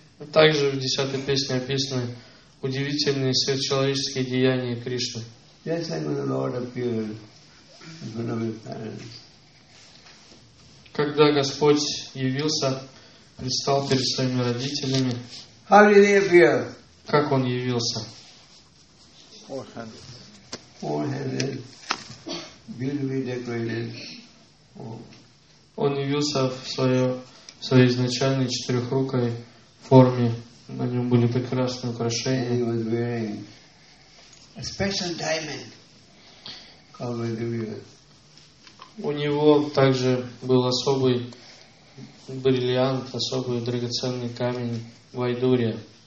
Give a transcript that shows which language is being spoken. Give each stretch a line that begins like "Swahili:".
Russian: Также в 10-й песне описаны удивительные сверхчеловеческие деяния Кришны.
English: just like when the Lord appeared in front of his parents.
Russian: Когда Господь явился, предстал перед своими родителями.
English: How did he appear?
Russian: Как он явился?
English: Four-handed, beautifully decorated.
Russian: Он явился в своей изначальной четырехрукой форме. На нем были прекрасные украшения.
English: And he was wearing a special diamond covered the earth.
Russian: У него также был особый бриллиант, особый драгоценный камень Вайдурья.